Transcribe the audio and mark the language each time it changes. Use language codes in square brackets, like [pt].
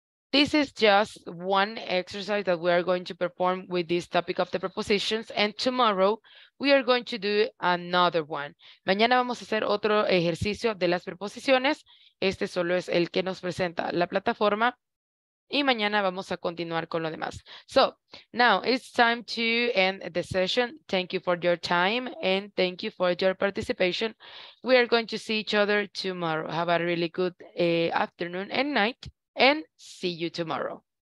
[en] This is just one exercise that we are going to perform with this topic of the prepositions. And tomorrow, we are going to do another one. [es] Mañana vamos a hacer otro ejercicio de las preposiciones. Este solo es el que nos presenta la plataforma. Y mañana vamos a continuar con lo demás. [en] So, now it's time to end the session. Thank you for your time and thank you for your participation. We are going to see each other tomorrow. Have a really good afternoon and night and see you tomorrow.